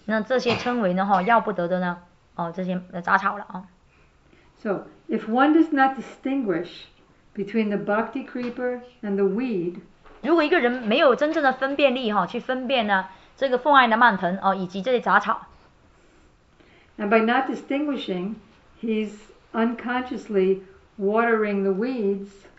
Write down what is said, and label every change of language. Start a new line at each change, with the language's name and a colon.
Chinese: 那这些称为要不得的这些杂草了。
English: So, if one does not distinguish between the bhakti creeper and the weed,
Chinese: 如果一个人没有真正的分辨力去分辨这个奉爱的蔓藤以及这些杂草
English: And by not distinguishing, he's unconsciously watering the weeds